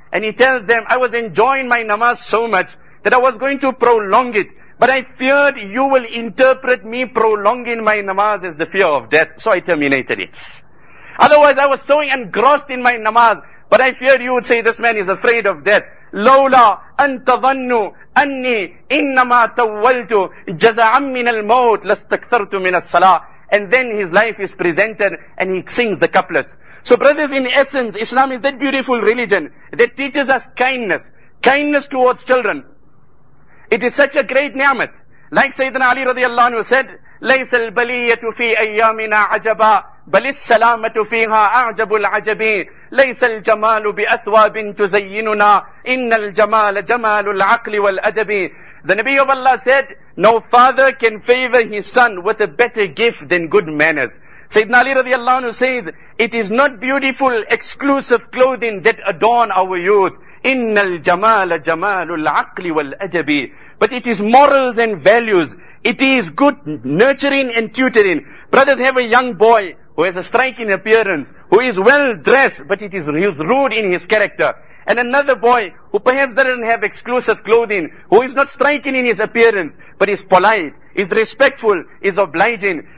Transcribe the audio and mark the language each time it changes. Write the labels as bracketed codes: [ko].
[en] And he tells them, I was enjoying my namaz so much that I was going to prolong it. But I feared you will interpret me prolonging my namaz as the fear of death. So I terminated it. Otherwise, I was so engrossed in my namaz. But I feared you would say, this man is afraid of death. [ar] لولا أن تظنوا أني إنما تولت جزعا من الموت لستكثرت من الصلاة. [en] And then his life is presented and he sings the couplets. So brothers, in essence, Islam is that beautiful religion that teaches us kindness. Kindness towards children. It is such a great ni'mat. [ar] Like Sayyidina Ali radiallahu anhu said, ليس البلية في أيامنا عجبا بل السلامة فيها أعجب العجبين ليس الجمال بأثواب تزيننا إن الجمال جمال العقل والأدب. [en] The Nabi of Allah said, no father can favor his son with a better gift than good manners. Sayyidina Ali radiallahu anhu says, it is not beautiful exclusive clothing that adorn our youth. [ar] إن الجمال جمال العقل والأدب. [en] But it is morals and values. It is good nurturing and tutoring. Brothers, have a young boy who has a striking appearance, who is well dressed, but it is rude in his character. And another boy who perhaps doesn't have exclusive clothing, who is not striking in his appearance, but is polite, is respectful, is obliging.